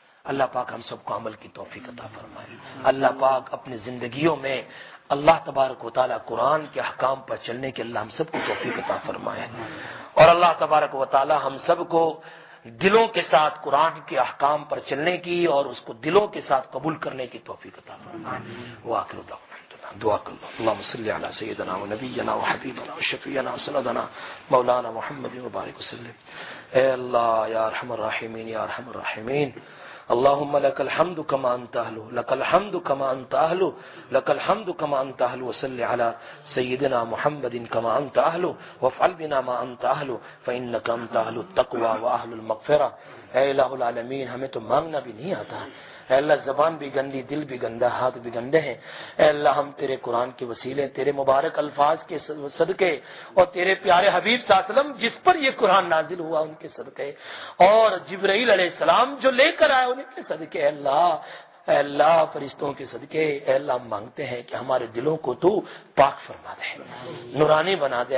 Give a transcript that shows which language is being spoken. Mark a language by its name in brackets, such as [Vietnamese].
[Urdu] اللہ پاک ہم سب کو عمل کی توفیق عطا فرمائے. اللہ پاک اپنی زندگیوں میں اللہ تبارک و تعالیٰ قرآن کے احکام پر چلنے کے اللہ ہم سب کو توفیق عطا فرمائے, اور اللہ تبارک و تعالیٰ ہم سب کو دلوں کے ساتھ قرآن کے احکام پر چلنے کی اور اس کو دلوں کے ساتھ قبول کرنے کی توفیق عطا فرمائے. دعا کر لو. [Arabic] اللهم صل على سيدنا ونبينا وحبيبنا وشفيعنا وسندنا مولانا محمد وبارك وسلم. اے اللہ يا ارحم الراحمين يا ارحم الراحمين, اللهم لك الحمد كما انت اهل, لك الحمد كما انت اهل, لك الحمد كما انت اهل, وصل على سيدنا محمد كما انت اهل, وافعل بنا ما انت اهل, فانك انت اهل التقوى واهل المغفرة. [Urdu] اے الہ العالمین, ہمیں تو مانگنا بھی نہیں آتا. اے اللہ, زبان بھی گندی, دل بھی گندا, ہاتھ بھی گندے ہیں. اے اللہ, ہم تیرے قرآن کے وسیلے, تیرے مبارک الفاظ کے صدقے, اور تیرے پیارے حبیب صلی اللہ علیہ وسلم جس پر یہ قرآن نازل ہوا ان کے صدقے, اور جبرائیل علیہ السلام جو لے کر آئے ان کے صدقے, اے اللہ, اے اللہ, فرشتوں کے صدقے, اے اللہ, ہم مانگتے ہیں کہ ہمارے دلوں کو تو پاک فرما دے, نورانی بنا دے.